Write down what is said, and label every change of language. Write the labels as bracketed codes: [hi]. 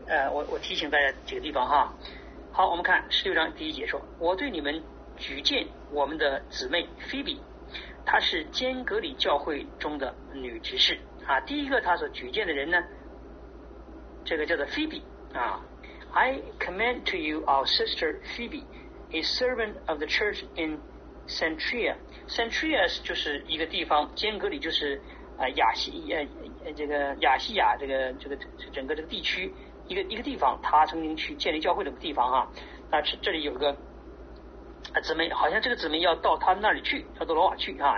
[zh] 我提醒大家几个地方哈。好，我们看十六章第一节说，我对你们举荐我们的姊妹菲比，她是坚格里教会中的女执事啊。第一个她所举荐的人呢，这个叫做菲比啊。 [en] I commend to you our sister Phoebe, a servant of the church in Centria. [zh] Centria 就是一个地方，坚格里就是亚细亚整个这个地区一个地方，他曾经去建立教会的地方啊。那这里有个姊妹，好像这个姊妹要到他那里去，到多罗瓦去啊。